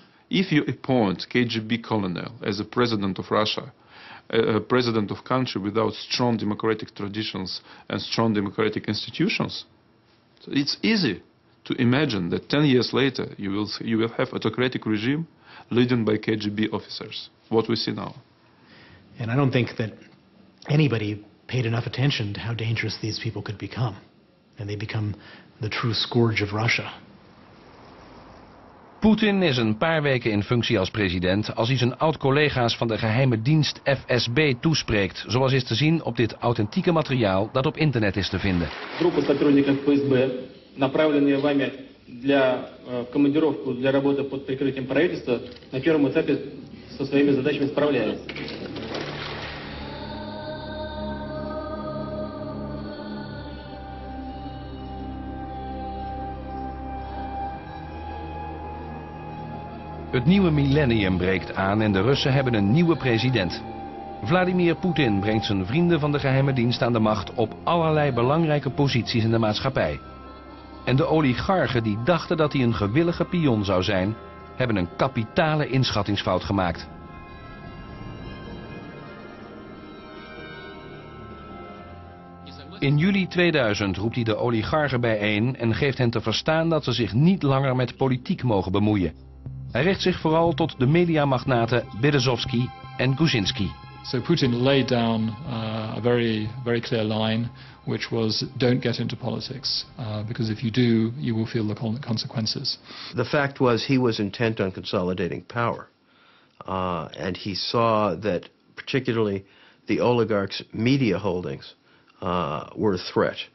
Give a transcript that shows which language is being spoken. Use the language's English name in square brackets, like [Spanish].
[English] If you appoint KGB colonel as a president of Russia, a president of country without strong democratic traditions and strong democratic institutions, it's easy to imagine that 10 years later you will have autocratic regime leading by KGB officers, what we see now. And I don't think that anybody paid enough attention to how dangerous these people could become. And they become the true scourge of Russia. [Dutch] Poetin is een paar weken in functie als president als hij zijn oud-collega's van de geheime dienst FSB toespreekt, zoals is te zien op dit authentieke materiaal dat op internet is te vinden. [Russian] Groepen сотрудников ФСБ, направленные вами для командировки для работы под прикрытием правительства, на первом этапе со своими задачами справляются. [Dutch] Het nieuwe millennium breekt aan en de Russen hebben een nieuwe president. Vladimir Poetin brengt zijn vrienden van de geheime dienst aan de macht op allerlei belangrijke posities in de maatschappij. En de oligarchen die dachten dat hij een gewillige pion zou zijn, hebben een kapitale inschattingsfout gemaakt. In juli 2000 roept hij de oligarchen bijeen en geeft hen te verstaan dat ze zich niet langer met politiek mogen bemoeien. Hij richt zich vooral tot de mediamagnaten Berezovsky en Kuczynski. [English] So Putin laid down a very, very clear line, which was don't get into politics, because if you do, you will feel the consequences. The fact was he was intent on consolidating power, and he saw that particularly the oligarchs' media holdings were a threat.